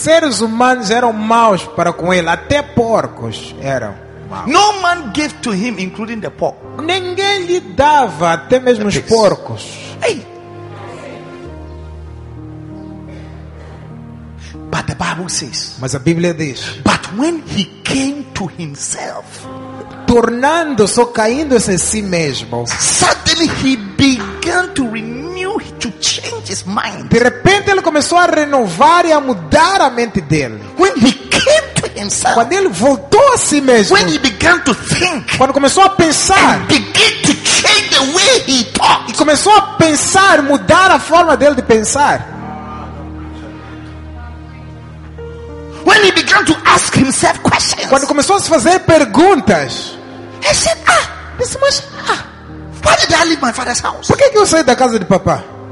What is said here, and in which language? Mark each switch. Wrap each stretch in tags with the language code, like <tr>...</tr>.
<pt>Seres humanos eram maus para com ele, até porcos eram.</pt> <en>No man gave to him, including the pork.</en> <pt>Ninguém lhe dava, até mesmo os porcos. Hey.</pt> <en>But the Bible says.</en> <pt>Mas a Bíblia diz.</pt> <en>But when he came to himself.</en> <pt>Tornando-se ou caindo-se em si mesmo.</pt> <en>Suddenly he began to renew, to change his mind.</en> <pt>De repente ele começou a renovar e a mudar a mente dele.</pt> <en>When he came to himself.</en> <pt>Quando ele voltou a si mesmo.</pt> <en>When he began to think.</en> <pt>Quando começou a pensar.</pt> <en>And began to change the way he thought.</en> <pt>E começou a pensar, mudar a forma dele de pensar.</pt> <en>When he began to ask himself questions.</en> <pt>Quando começou a se fazer perguntas.</pt> <en>He said, why did I leave my father's house?</en> <pt>Por que eu saí da casa de papá?</pt>